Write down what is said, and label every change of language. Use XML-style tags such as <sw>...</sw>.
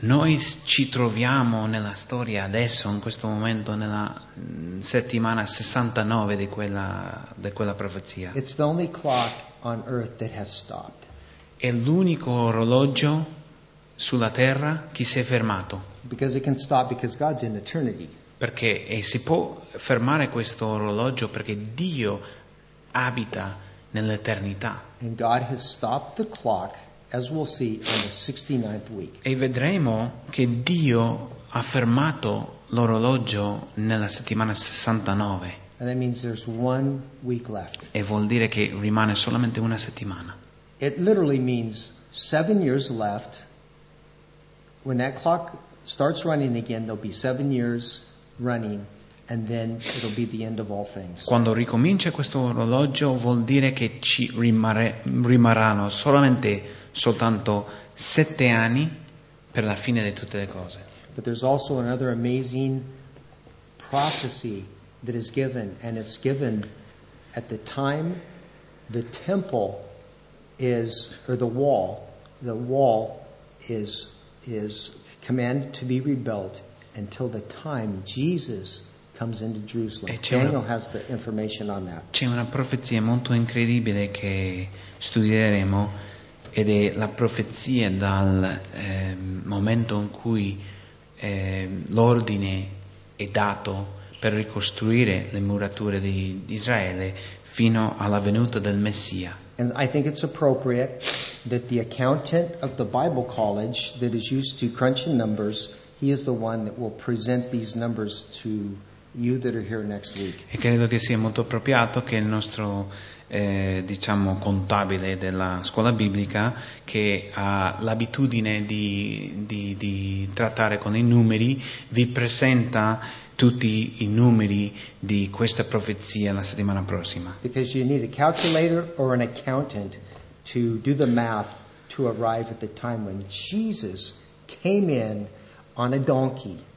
<it>Noi ci troviamo nella storia adesso, in questo momento, nella settimana 69 di quella profezia.</it> <en>It's the only clock on earth that has stopped.</en> <it>È l'unico orologio sulla terra che si è fermato.</it> <en>Because it can stop because God's in eternity.</en> <it>Perché e si può fermare questo orologio perché Dio abita nell'eternità.</it> <en>And God has stopped the clock. As we'll see on the 69th week.</en> <it>E vedremo che Dio ha fermato l'orologio nella settimana 69.</it> <en>And that means there's 1 week left.</en> <it>E vuol dire che rimane solamente una settimana.</it> <en>It literally means 7 years left. When that clock starts running again, there'll be 7 years running. And then it'll be the end of all things.</en> <it>Quando ricomincia questo orologio vuol dire che ci rimarranno soltanto 7 anni per la fine di tutte le cose.</it> <en>But there's also another amazing prophecy that is given, and it's given at the time the temple is, or the wall is commanded to be rebuilt until the time Jesus comes into Jerusalem. Daniel has the information on that.</en> <it>C'è una profezia molto incredibile che studieremo ed è la profezia dal momento in cui l'ordine è dato per ricostruire le murature di Israele fino alla venuta del Messia.</it> <en>And I think it's appropriate that the accountant of the Bible College that is used to crunch in numbers, he is the one that will present these numbers to you that are here next week.</en> <it>E credo che sia molto appropriato che il nostro diciamo contabile della scuola biblica che ha l'abitudine di trattare con i numeri vi presenta tutti i numeri di questa profezia la settimana prossima.</it> <en>Because you need a calculator or an accountant to do the math to arrive at the time when Jesus came in on a donkey.</en>